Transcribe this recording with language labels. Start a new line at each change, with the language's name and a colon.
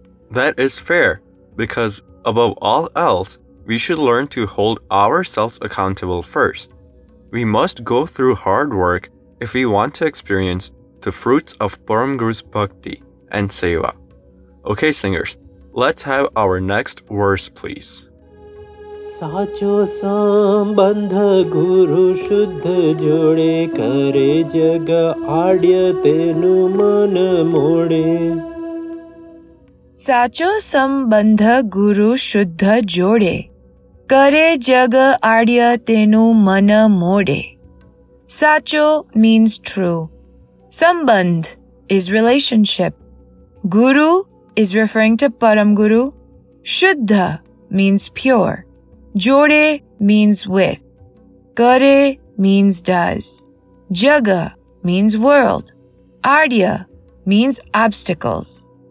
English: That is fair, because above all else, we should learn to hold ourselves accountable first. We must go through hard work if we want to experience the fruits of Param Guru's Bhakti and Seva. Okay, singers, let's have our next verse, please.
Hindi: साचो संबंध गुरु शुद्ध जोड़े करे जग आड़्य तेनु मन मोड़े साचो संबंध गुरु शुद्ध जोड़े करे जग आड़्य तेनु मन मोड़े साचो
English: means true. संबंध is relationship. Guru is referring to परम गुरु. शुद्ध means pure. Jode means with. Kare means does. Jaga means world. Arya means obstacles.